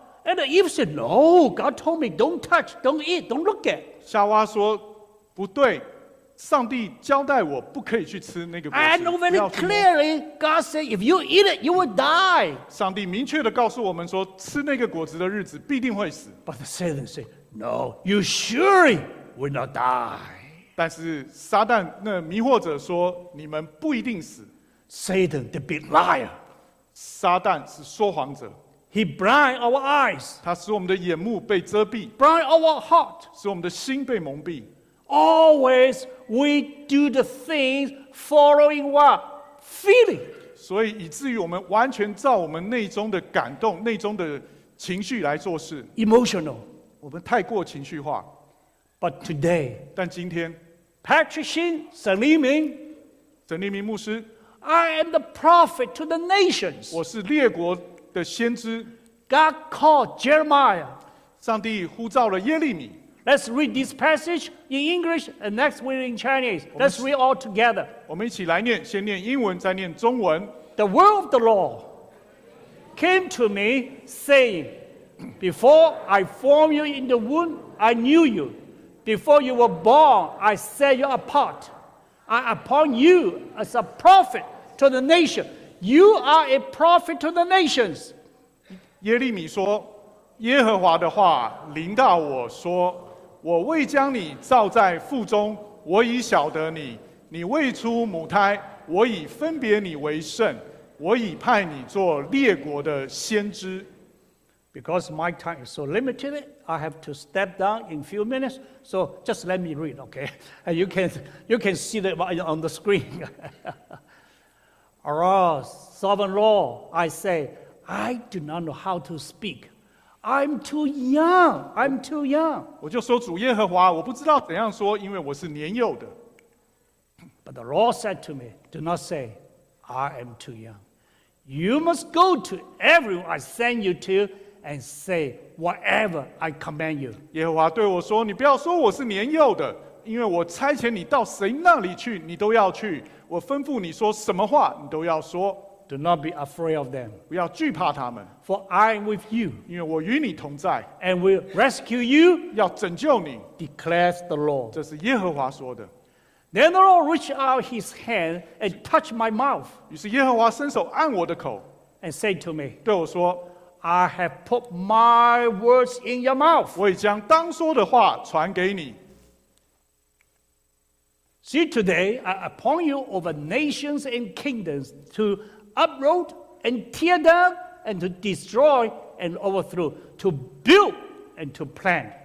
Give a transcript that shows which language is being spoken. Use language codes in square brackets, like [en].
[en] And Eve said, No, God told me, don't touch, don't eat, don't look at. [zh] 夏娃说，不对，上帝交代我不可以去吃那个果实。 [en] I know very clearly, God said, if you eat it, you will die. [zh] 上帝明确地告诉我们说，吃那个果子的日子必定会死。 [en] But Satan said, No, you surely will not die. [zh] 但是撒旦那迷惑者说，你们不一定死。 [en] Satan, the big liar. [zh] 撒旦是说谎者。 [en] He blind our eyes. [zh] 他使我们的眼目被遮蔽。 [en] Blind our heart. [zh] 使我们的心被蒙蔽。 [en] Always we do the things following what? Feeling. [zh] 所以以至于我们完全照我们内中的感动，内中的情绪来做事。 [en] Emotional. [zh] 我们太过情绪化。 [en] But today. [zh] 但今天。 [en] Patrick Shin, 沈黎明。 [zh] 沈黎明牧师。 [en] I am the prophet to the nations. [zh] 我是列国的先知。 [en] God called Jeremiah. [zh] 上帝呼召了耶利米。 [en] Let's read this passage in English and next week in Chinese. Let's read all together. [zh] 我们一起来念，先念英文，再念中文。 [en] The word of the Lord came to me saying, Before I formed you in the womb, I knew you. Before you were born, I set you apart. I appoint you as a prophet to the nation. You are a prophet to the nations. [zh] 耶利米说，耶和华的话临到我说，我未将你造在腹中，我已晓得你，你未出母胎，我已分别你为圣，我已派你做列国的先知。 [en] Because my time is so limited, I have to step down in a few minutes. So just let me read, okay? And you can see that on the screen. Arise, sovereign Lord, I say, I do not know how to speak. I'm too young. [zh] 我就说主耶和华，我不知道怎样说，因为我是年幼的。 [en] But the Lord said to me, do not say, I am too young. You must go to everyone I send you to and say whatever I command you. [zh] 耶和华对我说，你不要说我是年幼的，因为我差遣你到谁那里去，你都要去。我吩咐你说什么话，你都要说。 [en] Do not be afraid of them. [zh] 不要惧怕他们。 [en] For I am with you. [zh] 因为我与你同在。 [en] And will rescue you. [zh] 要拯救你。 [en] Declares the Lord. [zh] 这是耶和华说的。 [en] Then the Lord reached out his hand and touched my mouth. [zh] 于是耶和华伸手按我的口。 [en] And said to me. [zh] 对我说。 [en] I have put my words in your mouth. [zh] 我已将当说的话传给你。 [en] See, today I appoint you over nations and kingdoms to uproot and tear down and to destroy and overthrow, to build and to plant.